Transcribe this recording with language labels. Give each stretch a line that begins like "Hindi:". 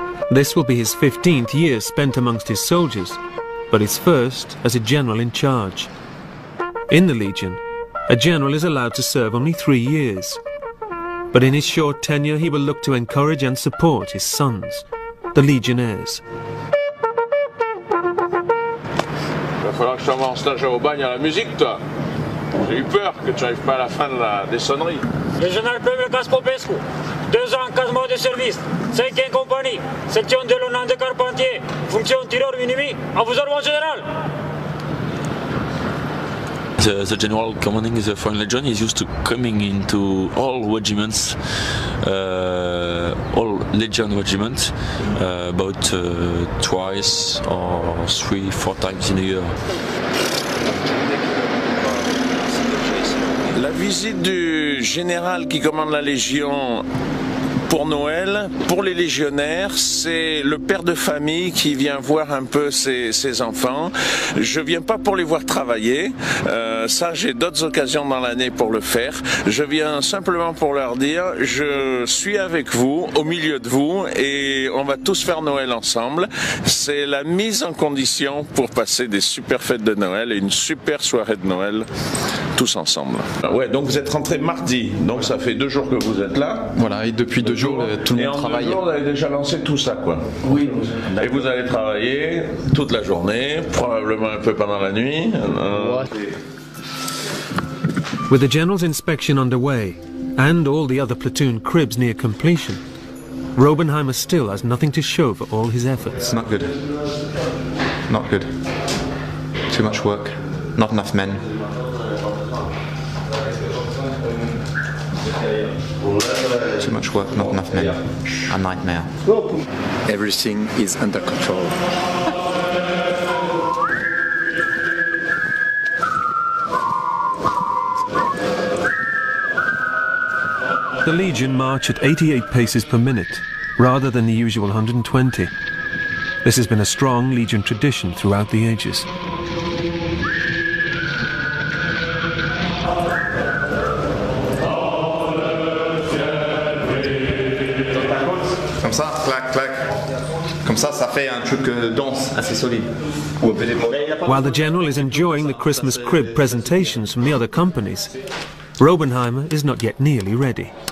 English: This will be his 15th year spent amongst his soldiers, but his first as a general in charge. In the Legion, a general is allowed to serve only 3 years. But in his short tenure, he will look to encourage and support his sons, the Legionnaires.
French: Il va falloir que je t'envoie en stage au bagne à la musique, toi. J'ai eu peur que tu n'arrives pas à la fin de la sonnerie. Le général Pavel Gaspopescu, 2 ans, 4 mois de service, 5e compagnie, section de l'honneur de Carpentier, fonction tireur minuit. À vos ordres, mon général.
English: The general commanding the Foreign Legion is used to coming into all regiments, all Legion regiments, about twice or 3-4 times in a year.
French: La visite du général qui commande la Légion pour Noël, pour les légionnaires, c'est le père de famille qui vient voir un peu ses enfants. Je viens pas pour les voir travailler, ça j'ai d'autres occasions dans l'année pour le faire. Je viens simplement pour leur dire, je suis avec vous, au milieu de vous, et on va tous faire Noël ensemble. C'est la mise en condition pour passer des super fêtes de Noël et une super soirée de Noël tous ensemble. Ouais, donc vous êtes rentré mardi, donc ça fait 2 jours que vous êtes là. Voilà, et depuis deux jours, tout le monde travaille. Et en 2 jours, vous avez déjà lancé tout ça, quoi. Oui. Et vous allez travailler toute la journée, probablement un peu pendant la nuit.
English: With the general's inspection underway, and all the other platoon cribs near completion, Robenheimer still has nothing to show for all his efforts. Not good. Not good. Too much work. Not enough men. Too much work, not enough men. A nightmare. Everything is under control. The Legion march at 88 paces per minute, rather than the usual 120. This has been a strong Legion tradition throughout the ages.
French: Ça, clac, clac. Comme ça, ça fait un truc de danse assez solide.
English: While the general is enjoying the Christmas crib presentations from the other companies, Robenheimer is not yet nearly ready.